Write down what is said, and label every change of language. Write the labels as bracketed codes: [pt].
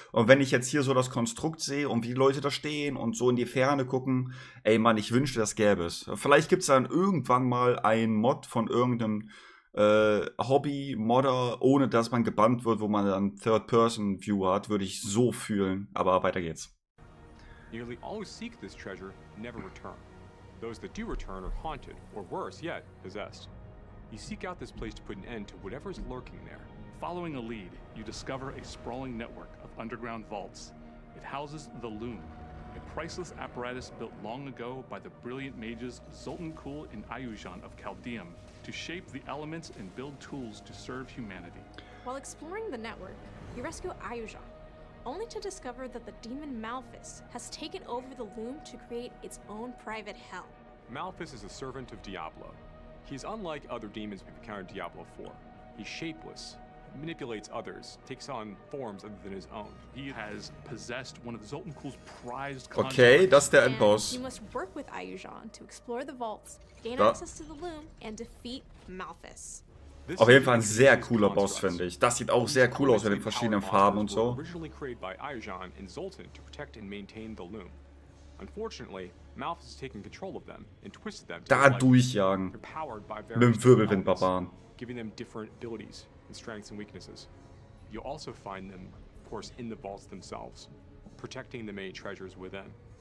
[de] Und wenn ich jetzt hier so das Konstrukt sehe und wie die Leute da stehen und so in die Ferne gucken, ey Mann, ich wünschte, das gäbe es. Vielleicht gibt es dann irgendwann mal einen Mod von irgendeinem Hobby-Modder, ohne dass man gebannt wird, wo man dann Third-Person-View hat, würde ich so fühlen. Aber weiter geht's. [en] Nearly all who seek this treasure never return. Those that do return are haunted, or worse yet, possessed. You seek out this place to put an end to whatever is lurking there. Following a lead, you discover a sprawling network of underground vaults. It houses the loom, a priceless apparatus built long ago by the brilliant mages Zoltan Kul and Ayujan of Chaldeum to shape the elements and build tools to serve humanity. While exploring the network, you rescue Ayujan, only to discover that the demon Malphus has taken over the loom to create its own private hell. Malphus is a servant of Diablo. He's unlike other demons we've encountered Diablo 4. He's shapeless, manipulates others, takes on forms other than his own. He has possessed one of Zoltan Kul's prized contracts. Okay, that's the end boss. You must work with Ayujan to explore the vaults, gain access to the loom, and defeat Malphus. [de] Auf jeden Fall ein sehr cooler Boss, finde ich. Das sieht auch sehr cool aus mit den verschiedenen Farben und so. [en] Originally created by Ayujan and Zoltan to protect and maintain the loom. Unfortunately, Malphus has taken control of them and twisted them. [de] Da durchjagen. Mit Wirbelwind-Barbaren. [en] Giving them different abilities. Strengths and weaknesses. You'll also find them, of course, in the vaults themselves, protecting the main treasures within.